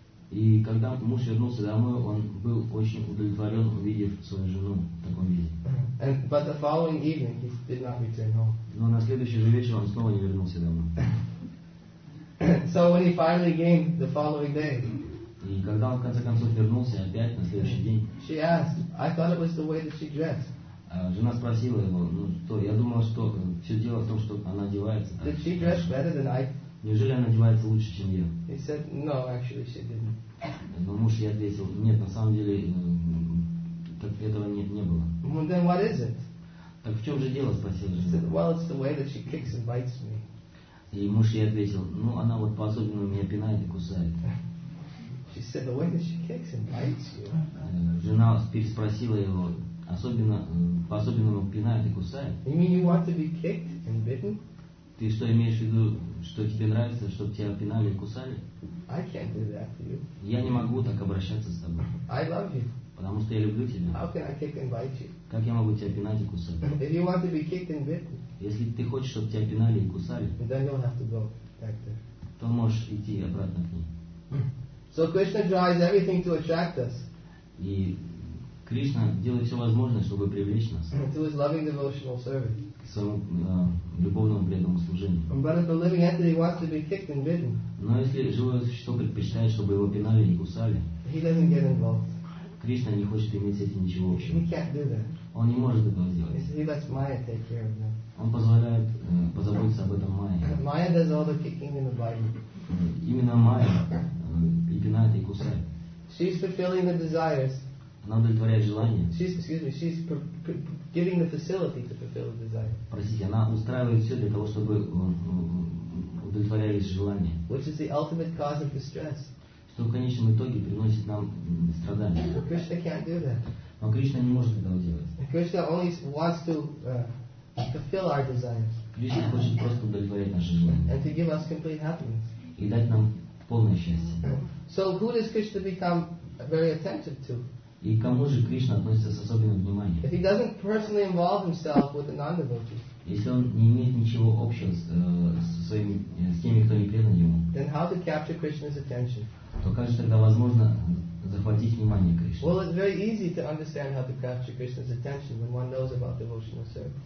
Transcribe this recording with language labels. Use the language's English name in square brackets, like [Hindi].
[Russian] И когда муж вернулся домой, он был очень удовлетворен, увидев свою жену в таком виде. [English] And, but the following evening he did not return home. [Russian] Но на следующий же вечер он снова не вернулся домой. [English] So when he finally came the following day, [Russian] и когда он в конце концов вернулся опять на следующий день, [English] she asked, I thought it was the way that she dressed. [Russian] Жена спросила его, ну что, я думал, что все дело в том, что она одевается. [English] Did she dress better than I? [Russian] Неужели она одевается лучше, чем я? [English] He said, no, actually she didn't. [Russian] Но муж ей ответил, нет, на самом деле этого не было. [English] Well, then what is it? [Russian] Так в чем же дело, спросила жена. [English] He said, well, it's the way that she kicks and bites me. [Russian] И муж ей ответил, ну она вот по-особенному меня пинает и кусает. [English] She said, the way that she kicks and bites you. [Russian] Жена спросила его, особенно, по-особенному пинает и кусает? [English] You mean you want to be kicked and bitten? [Russian] Ты что имеешь в виду, что тебе нравится, чтобы тебя пинали и кусали? [English] I can't do that to you. [Russian] Я не могу так обращаться с тобой. [English] I love you. [Russian] Потому что я люблю тебя. [English] How can I kick and bite you? [Russian] Как я могу тебя пинать и кусать? [English] If you want to be kicked and bitten, [Russian] если ты хочешь, чтобы тебя пинали и кусали, [English] then you'll have to go back there. [Russian] То можешь идти обратно к ней. [English] So Krishna tries everything to attract us. [Russian] И Кришна делает все возможное, чтобы привлечь нас. [English] To his loving devotional service. [Russian] К своему любовному преданному служению. [English] But if the living entity wants to be kicked and bitten, [Russian] но если живое существо предпочитает, чтобы его пинали и кусали, [English] he doesn't get involved. [Russian] Кришна не хочет иметь с этим ничего общего. [English] He can't do that. [Russian] Он не может этого сделать. [English] He lets Maya take care of them. [Russian] Он позволяет позаботиться об этом Майе. [English] Maya does all the kicking in the body. [Russian] Именно Майя и пинает, и кусает. [English] She's fulfilling the desires. [Russian] Она удовлетворяет желания. [English] She's giving the facility to fulfill the desire. [Russian] Простите, она устраивает все для того, чтобы удовлетворялись желания. [English] Which is the ultimate cause of distress. [Russian] Что в конечном итоге приносит нам страдания. [English] But Krishna can't do that. [Russian] Но Кришна не может этого делать. [English] Krishna only wants to fulfill our desires. [Russian] Кришна хочет просто удовлетворять наши желания. [English] And to give us complete happiness. [Russian] и дать нам полное счастье. [English] So who does Krishna become very attentive to? [Russian] И кому же Кришна относится с особенным вниманием? [English] If he doesn't personally involve himself with the non-devotees. [Russian] Если он не имеет ничего общего с теми, кто не предан ему. [English] Then how to capture Krishna's attention? [Russian] То как же тогда возможно захватить внимание Кришны? [English] Well, it's very easy to understand how to capture Krishna's attention when one knows about devotional service.